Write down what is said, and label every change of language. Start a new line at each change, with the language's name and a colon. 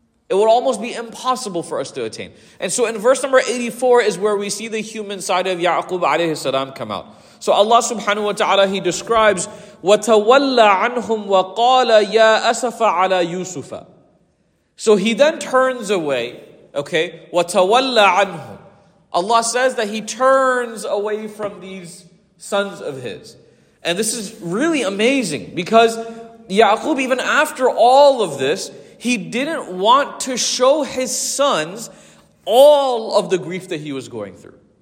English: It would almost be impossible for us to attain. And so in verse number 84 is where we see the human side of Ya'qub alayhi salam come out. So Allah subhanahu wa ta'ala, He describes,
Arabic: وَتَوَلَّ عَنْهُمْ وَقَالَ يَا أَسَفَ عَلَى يُوسُفَ.
English: So He then turns away.
Arabic: Okay, وَتَوَلَّ عَنْهُمْ.
English: Allah says that He turns away from these sons of His. And this is really amazing because Ya'qub, even after all of this, he didn't want to show his sons all of the grief that he was going through.